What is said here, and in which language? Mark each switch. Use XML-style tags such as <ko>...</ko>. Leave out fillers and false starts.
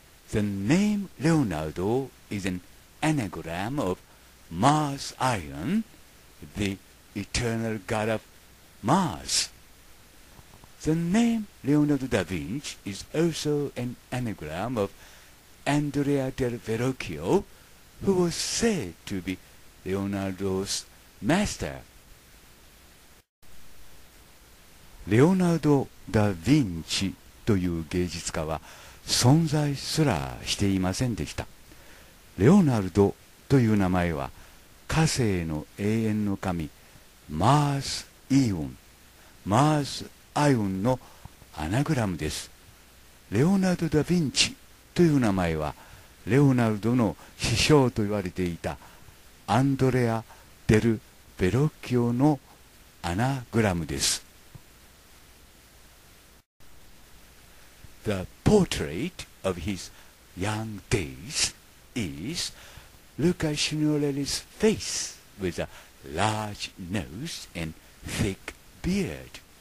<en>The name Leonardo is an anagram of Mars Iron, the eternal god of Mars. The name Leonardo da Vinci is also an anagram of Andrea del Verrocchio, who was said to beLeonardo's master.</en> <ja>レオナルド・ダ・ヴィンチという芸術家は存在すらしていませんでした。レオナルドという名前は火星の永遠の神マース・イオン、マース・アイオンのアナグラムです。レオナルド・ダ・ヴィンチという名前はレオナルドの師匠と言われていたアンドレア・デル・ベロッキオのアナグラムです。</ja> <en>The portrait of his young days is Luca Signorelli's face with a large nose and thick beard.</en>